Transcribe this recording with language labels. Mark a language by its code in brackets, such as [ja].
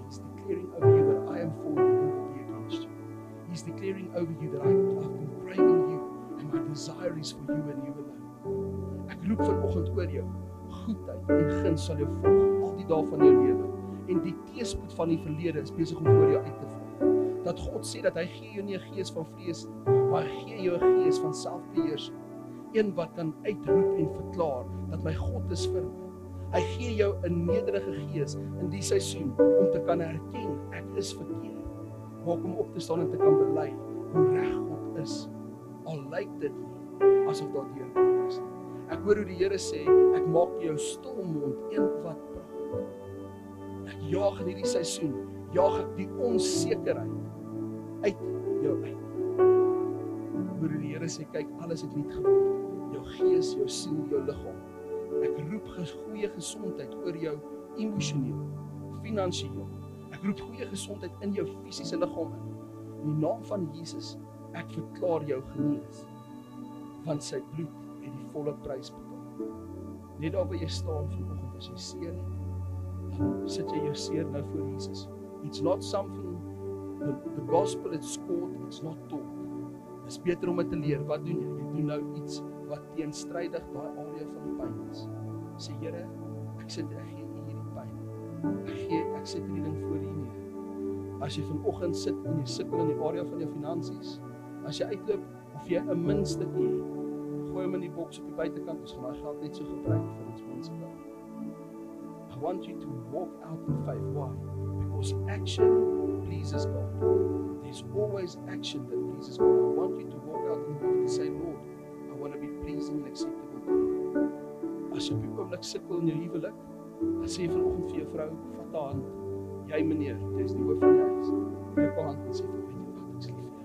[en] He's declaring over you that I am for you and will be against you. He's declaring over you that I've been craving you and my desire is for you and you alone. [af] Ek roep vanoggend oor jou. Goedheid en guns sal jou volg al die dae van jou lewe. En die teespoed van die verlede is besig om oor jou uit te val. Dat God sê dat hy gee jou nie 'n gees van vrees nie, maar gee jou 'n gees van selfbeheersing. Een wat kan uitroep en verklaar dat my God is vir my. Hy gee jou 'n nederige gees in die seisoen om te kan herken ek is verkeerd. Maar om op te staan en te kan bely hoe reg God is. Al lyk dit nie asof daar deur kom is. Ek hoor hoe die Here sê, ek maak jou stil mond een wat praat. Ek jaag in hierdie seisoen, jaag ek die onsekerheid uit jou uit. Ek hoor hoe die Here sê, kyk, alles het nuut geword. Jou gees, jou siel, jou liggaam. Ek roep goeie gesondheid oor jou emosioneel, finansieel. Ek roep goeie gesondheid in jou fisiese liggaam in. In die naam van Jesus, ek verklaar jou genees. Want sy bloed het die volle prys betaal. Net daar waar jy staan vanoggend as jy seer het, sit jy jou seer nou voor Jesus. [en] It's not something, the gospel is caught, it's not taught. [af] Dit is beter om dit te leer. Wat doen jy? Jy doen nou iets wat teenstrydig daai area van pyn is. Sê, Here, ek sit en gee U hierdie pyn. Ek sit hierdie ding voor U neer. As jy vanoggend sit en jy sukkel in die area van jou finansies, as jy uitloop of jy 'n minste het, gooi hom in die boks op die buitekant, ons gaan daai geld net so gebruik vir ons mensbelang. [en] I want you to walk out in faith. Why? Because action pleases God. There's always action that pleases God. I want you to walk out in faith to say, Lord, I want to be pleasing and acceptable to you. [af] As jy op die oomblik sukkel in jou huwelik, dan sê jy vanoggend vir jou vrou, vat haar hand, jy meneer, jy is die hoof van die huis, jy pa hand en sê, weet jy wat, ek is lief vir jou.